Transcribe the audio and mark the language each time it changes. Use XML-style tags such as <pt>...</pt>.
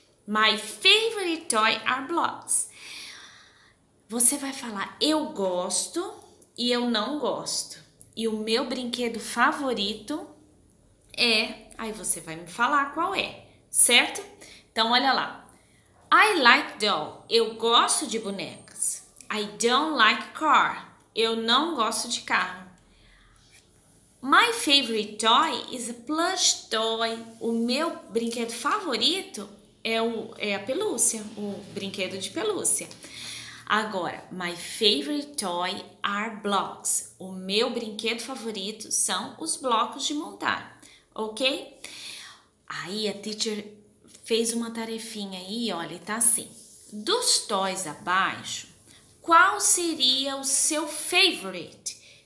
<en>My favorite toy are blocks.</en> <pt>Você vai falar eu gosto e eu não gosto. E o meu brinquedo favorito é. Aí você vai me falar qual é, certo? Então olha lá.</pt> <en>I like doll.</en> <pt>Eu gosto de bonecas.</pt> <en>I don't like car.</en> <pt>Eu não gosto de carro.</pt> <en>My favorite toy is a plush toy.</en> <pt>O meu brinquedo favorito é a pelúcia, o brinquedo de pelúcia.</pt> <en>Agora, my favorite toy are blocks.</en> <pt>O meu brinquedo favorito são os blocos de montar, ok? Aí a teacher fez uma tarefinha aí, olha, tá assim. Dos toys abaixo, qual seria o seu favorite?</pt>